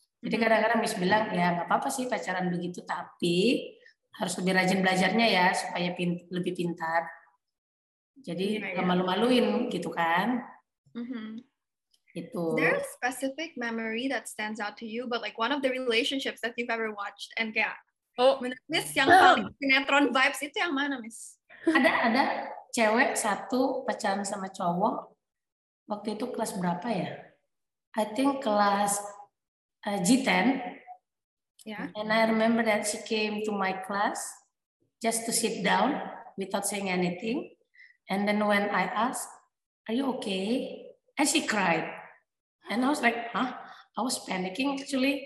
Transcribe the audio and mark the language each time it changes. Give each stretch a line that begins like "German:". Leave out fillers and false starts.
Indonesian: Jadi kadang-kadang Miss bilang, ya nggak apa-apa sih pacaran begitu, tapi harus lebih rajin belajarnya ya, supaya lebih pintar. Jadi nggak malu-maluin gitu kan. Itu.
English: Is there a specific memory that stands out to you, but like one of the relationships that you've ever watched and
Indonesian: kayak, Miss yang paling sinetron vibes itu yang mana, Miss? Ada cewek satu pacaran sama cowok, waktu itu kelas berapa ya?
English: I think
Indonesian: kelas
English: G10. Yeah. And I remember that she came to my class just to sit down without saying anything. And then when I asked, "Are you okay?" and she cried. And I was like, "Huh?" I was panicking actually.